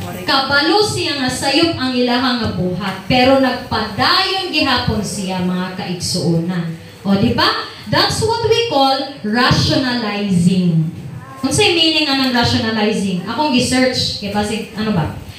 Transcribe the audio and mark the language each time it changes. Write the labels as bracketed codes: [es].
[ceb] Kabalo siya nga sayop ang ilahang nga buhat, pero nagpadayon gihapon siya mga kaigsuunan. O, di ba? [en] That's what we call rationalizing. [ceb] Kung sa'y meaning nga ng rationalizing, akong gisearch, kasi ano ba?